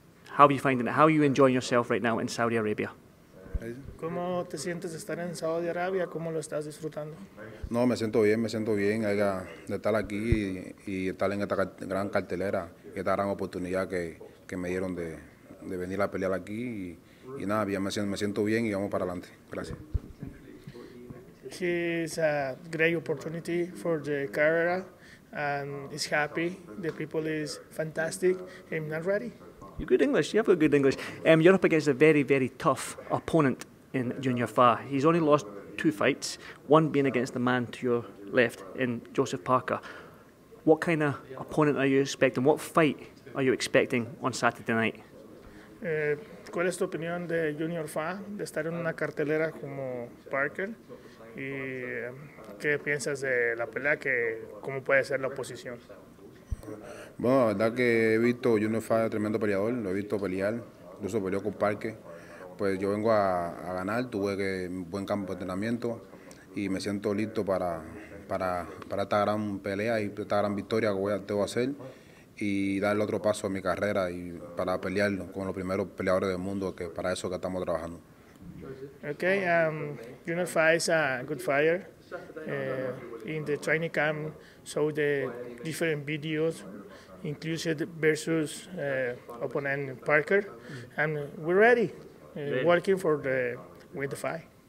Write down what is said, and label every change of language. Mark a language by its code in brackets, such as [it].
[en] How are you finding it? How are you enjoying yourself right now in Saudi Arabia? [es] ¿Cómo te sientes de estar en Saudi Arabia? ¿Cómo lo estás disfrutando? No, me siento bien, me siento bien. Oiga, de estar aquí y estar en esta gran cartelera, esta gran oportunidad que me dieron de venir a pelear aquí. Y nada, bien, me siento bien y vamos para adelante. Gracias. [en] It's a great opportunity for the carrera. And he's happy. The people is fantastic. I'm not ready. You're good English. You have got good English. You're up against a very, very tough opponent in Junior Fa. He's only lost two fights, one being against the man to your left in Joseph Parker. What kind of opponent are you expecting? What fight are you expecting on Saturday night? [es] ¿Cuál es tu opinión de Junior Fa, de estar en una cartelera como Parker? ¿Y qué piensas de la pelea? ¿Cómo puede ser la oposición? Bueno, la verdad que he visto Junior Fa, tremendo peleador, lo he visto pelear, incluso peleó con Parque. Pues yo vengo a ganar, tuve que buen campo de entrenamiento y me siento listo para esta gran pelea y esta gran victoria que tengo que hacer y dar el otro paso a mi carrera y para pelear con los primeros peleadores del mundo, que para eso que estamos trabajando. [en] Okay, Junior Fa is a good fighter. In the training camp, saw the different videos, inclusive versus opponent Parker, and we're ready, working for the win the fight.